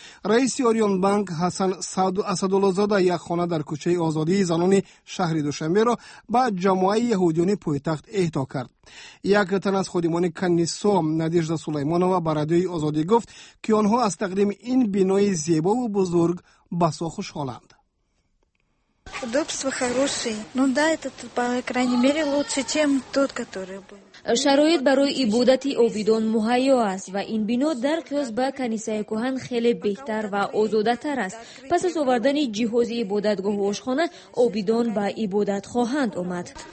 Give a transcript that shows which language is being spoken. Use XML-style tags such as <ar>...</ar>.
<fa>رئیس اوریون بانک حسن اسدالله‌زاده یک خانه در کوچه آزادی زنان شهر دوشنبه را به جماعه یهودیان پایتخت اهدا کرد. یک تن از خادمان کنیسا ندیژدا سلیمانوا به رادیوی آزادی گفت که آنها از تقدیم این بنای زیبا و بزرگ بسا خوشحالند.</fa> <ru>Удобство хорошее. Ну да, это по крайней мере лучше, чем тот, который был.</ru> <fa>شرایط برای عبادت آبیدان مهیا است و این بنا در قیاس به کنیسه کهن خیلی بهتر و آزاده‌تر است. پس از آوردن جهاز عبادتگاه و آشخانه آبیدان به عبادت خواهند آمد.</fa>